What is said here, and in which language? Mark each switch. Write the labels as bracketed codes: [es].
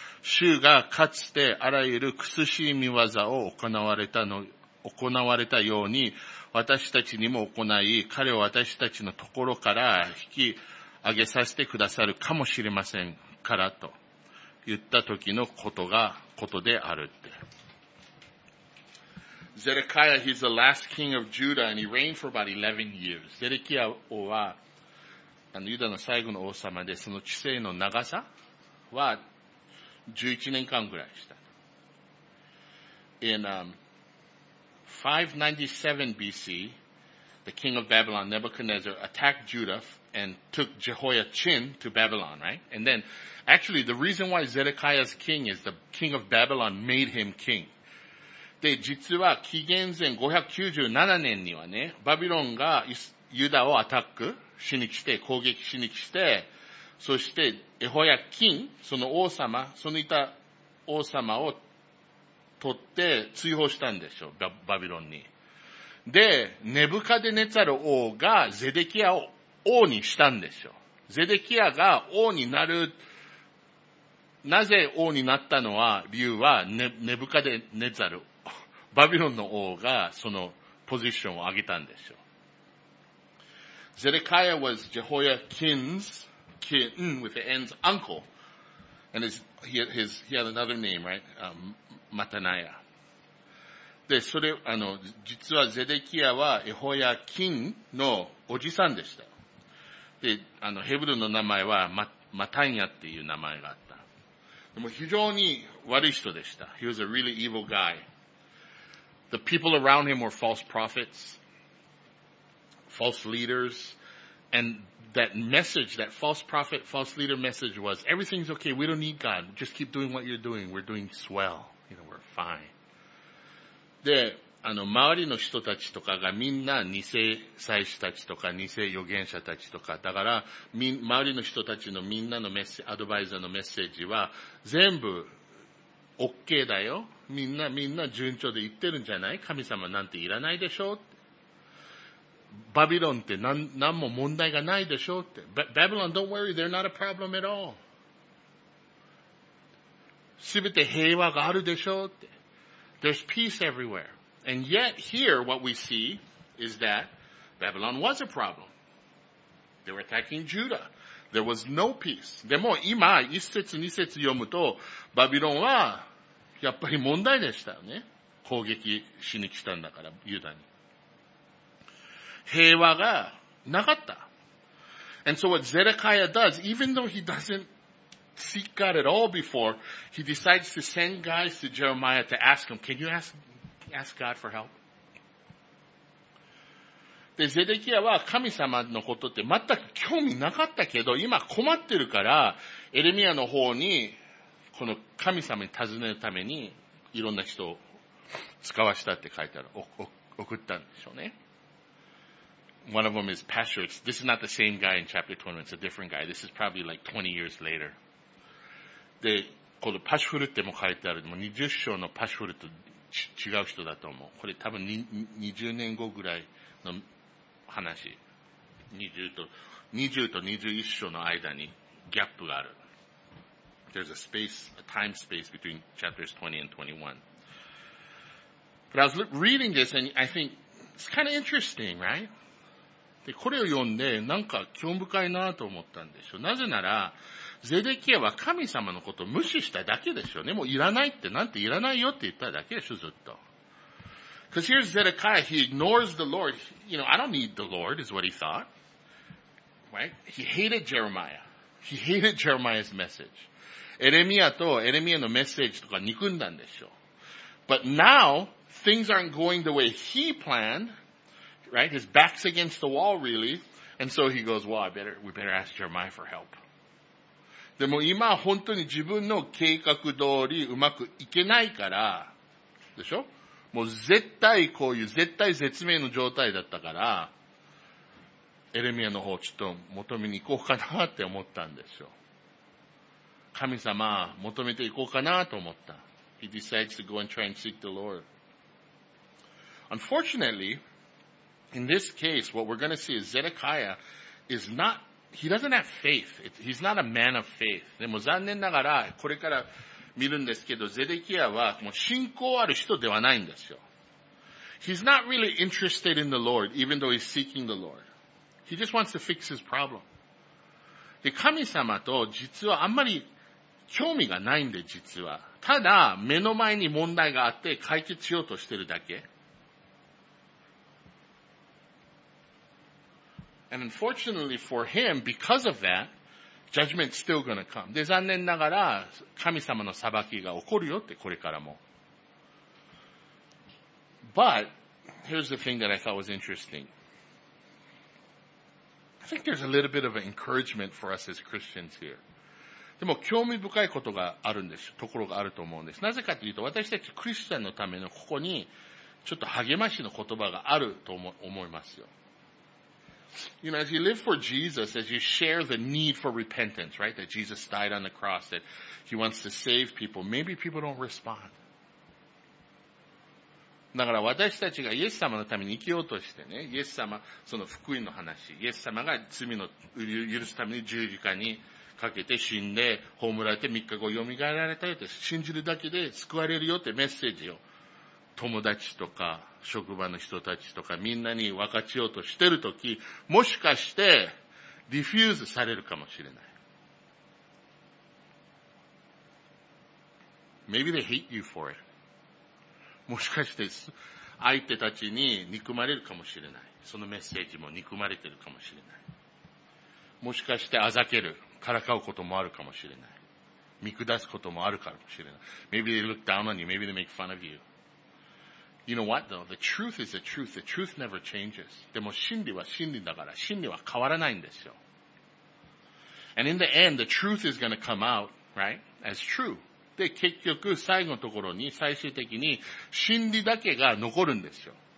[ja] 主がかつてあらゆる苦しい見業を行われたように、私たちにも行い、彼を私たちのところから引き、あげさせてくださるかもしれませんからと言った時のことであるって。 [en] Zedekiah, he's the last king of Judah and he reigned for about 11 years. [ja] ゼデキア王は、ユダの最後の王様で、その治世の長さは11年間ぐらいでした。 [en] In 597 BC, the king of Babylon, Nebuchadnezzar, attacked Judah,And took Jehoiachin to Babylon, right? And then, actually, the reason why Zedekiah's king is the king of Babylon made him king. [ja] で、実は、紀元前597年にはね、バビロンがユダをアタックしに来て、攻撃しに来て、そして、エホヤキン、その王様、そのいた王様を取って追放したんでしょ、バビロンに。で、ネブカデネツァル王がゼデキアを王にしたんですよ。ゼデキアが王になる、なぜ王になったのは、理由は、ネブカデネザルバビロンの王がそのポジションを上げたんですよ。 [en] ゼレカヤ was Jehoiakim's kin with the N's uncle. And he had another name, right? マタナヤ。 [ja] で、それ、実はゼデキヤはエホヤキンのおじさんでした。で、ヘブルの名前はマタニアっていう名前があった。でも非常に悪い人でした。 [en] He was a really evil guy. The people around him were false prophets, false leaders, and that message, that false prophet, false leader message was, everything's okay, we don't need God, just keep doing what you're doing, we're doing swell, you know, we're fine. [ja] で、周りの人たちとかがみんな偽祭司たちとか偽預言者たちとか、だから、周りの人たちのみんなのメッセージ、アドバイザーのメッセージは、全部、OK だよ。みんな順調で言ってるんじゃない？神様なんていらないでしょう？バビロンって何も問題がないでしょうって。 [en] Babylon, don't worry, they're not a problem at all. [ja] すべて平和があるでしょうって。 [en] There's peace everywhere. And yet, here, what we see is that Babylon was a problem. They were attacking Judah. There was no peace. [ja] でも今、一節二節読むと、バビロンはやっぱり問題でしたよね。攻撃しに来たんだから、ユダに。平和がなかった。 [en] And so what Zedekiah does, even though he doesn't seek God at all before, he decides to send guys to Jeremiah to ask him, can you ask God for help? [ja] で、ゼデキヤは神様のことって全く興味なかったけど、今困ってるから、エレミアの方に、この神様に尋ねるために、いろんな人を使わしたって書いてある、送ったんでしょうね。 [en] One of them is Pastor. This is not the same guy in chapter 21. It's a different guy. This is probably like 20 years later. [ja] で、このパシフルっても書いてある。もう20章のパシフルと違う人だと思う。これ多分20年後ぐらいの話。 20と21章の間にギャップがある。 [en] There's a space, a time space between chapters 20 and 21. But I was reading this and I think it's kind of interesting, right? [ja] で、これを読んで、なんか興味深いなと思ったんでしょ。なぜなら、ゼデキヤは神様のことを無視しただけでしょうね。もういらないって、なんていらないよって言っただけでしょ、ずっと。 [en] Because here's Zedekiah, he ignores the Lord. You know, I don't need the Lord, is what he thought. Right? He hated Jeremiah. He hated Jeremiah's message. [ja] エレミアとエレミアのメッセージとか憎んだんでしょう。 [en] But now, things aren't going the way he planned. Right? His back's against the wall, really. And so he goes, well, we better ask Jeremiah for help. [ja] でも今本当に自分の計画通りうまくいけないから、でしょ？もう絶対こういう絶対絶命の状態だったから、エレミアの方ちょっと求めに行こうかなって思ったんですよ。神様、求めて行こうかなと思った。 [en] He decides to go and try and seek the Lord. Unfortunately,In this case, what we're going to see is Zedekiah is not, he doesn't have faith. He's not a man of faith. [ja] でも残念ながら、これから見るんですけど、ゼデキヤはもう信仰ある人ではないんですよ。 [en] He's not really interested in the Lord, even though he's seeking the Lord. He just wants to fix his problem. [ja] で、神様と実はあんまり興味がないんで、実は。ただ、目の前に問題があって解決しようとしてるだけ。 [en] And unfortunately for him, because of that, judgment's still gonna come. [ja] で、残念ながら、神様の裁きが起こるよって、これからも。 [en] But, here's the thing that I thought was interesting. I think there's a little bit of an encouragement for us as Christians here. [ja] でも、興味深いことがあるんです。ところがあると思うんです。なぜかというと、私たちクリスチャンのためのここに、ちょっと励ましの言葉があると思いますよ。 [en] You know, as you live for Jesus, as you share the need for repentance, right? That Jesus died on the cross, that He wants to save people. Maybe people don't respond. [ja] だから私たちがイエス様のために生きようとしてね、イエス様、その福音の話、イエス様が罪の許すために十字架にかけて死んで、葬られて3日後蘇られたよって、信じるだけで救われるよってメッセージを友達とか職場の人たちとかみんなに分かちようとしてるとき、もしかしてディフューズされるかもしれない。 [en] Maybe they hate you for it. [ja] もしかして相手たちに憎まれるかもしれない。そのメッセージも憎まれてるかもしれない。もしかしてあざける、からかうこともあるかもしれない。見下すこともあるかもしれない。 [en] Maybe they look down on you. Maybe they make fun of you. You know what though? The truth is the truth. The truth never changes. [ja] でも真理は真理だから、真理は変わらないんですよ。 [en] And in the end, the truth is going to come out, right? As true. [ja] で、結局、最後のところに、最終的に、真理だけが残るんですよ。